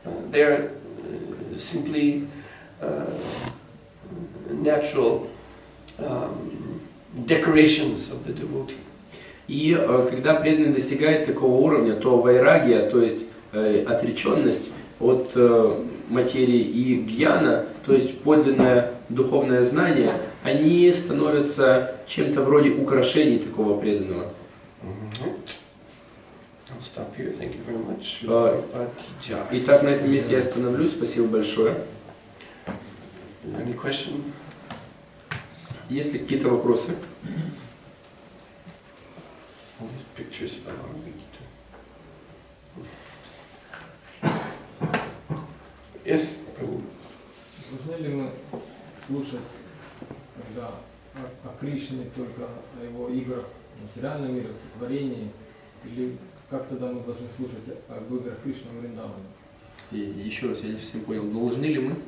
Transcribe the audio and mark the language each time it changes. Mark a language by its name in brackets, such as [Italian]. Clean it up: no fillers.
[English] They are simply natural decorations of the devotee. [Russian] И когда преданный достигает такого уровня, то вайрагья, то есть отреченность от материи, и гьяна, то есть подлинное духовное знание, они становятся чем-то вроде украшений такого преданного. [English] I'll stop here. Thank you very much. [Russian] Итак, на этом месте я остановлюсь. Спасибо большое. [English] Any question? [Russian] Есть ли какие-то вопросы? [English] All these pictures I want to read to. Yes, Prabhu. [Russian] Должны ли мы слушать, когда о Кришне только о его играх в материальном мире, в сотворении, или как тогда мы должны слушать об играх Кришны в Вриндаване? Еще раз, я не совсем понял, должны ли мы?